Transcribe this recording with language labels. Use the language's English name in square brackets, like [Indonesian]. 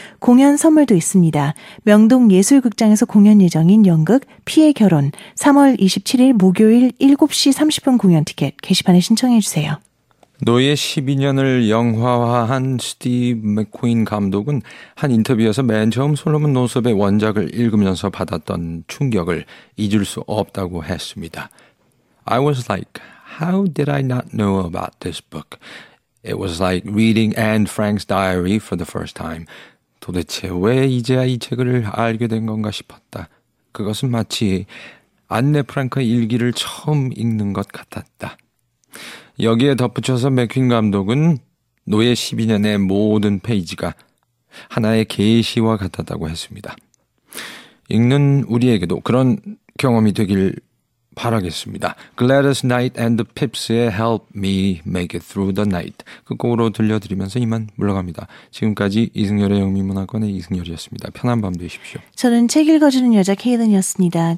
[Korean] 공연 선물도 있습니다. 명동 예술극장에서 공연 예정인 연극 피의 결혼 3월 27일 목요일 7시 30분 공연 티켓 게시판에 신청해 주세요. 노예 12년을 영화화한 스티브 맥퀸 감독은 한 인터뷰에서 맨 처음 솔로몬 노섭의 원작을 읽으면서 받았던 충격을 잊을 수 없다고 했습니다. [English] I was like, how did I not know about this book? It was like reading Anne Frank's diary for the first time. [Korean] 도대체 왜 이제야 이 책을 알게 된 건가 싶었다. 그것은 마치 안네 프랑크의 일기를 처음 읽는 것 같았다. 여기에 덧붙여서 맥퀸 감독은 노예 12년의 모든 페이지가 하나의 계시와 같았다고 했습니다. 읽는 우리에게도 그런 경험이 되길 바라겠습니다. Gladys Knight and the Pips의 Help Me Make It Through the Night 끝곡으로 들려드리면서 이만 물러갑니다. 지금까지 이승열의 영미문화권의 이승열이었습니다. 편한 밤 되십시오. 저는 책 읽어주는 여자 케이든이었습니다.